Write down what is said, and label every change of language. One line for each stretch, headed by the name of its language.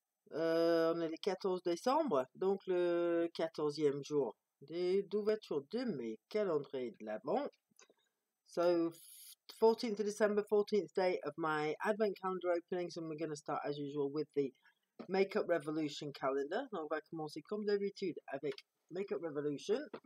French: On est le 14 décembre, donc le 14e jour d'ouverture de mes calendriers de l'Avent.
English: So, 14th of December, 14th day of my Advent calendar openings, and we're going to start as usual with the Makeup Revolution calendar.
French: Donc, on va commencer comme d'habitude avec Makeup Revolution.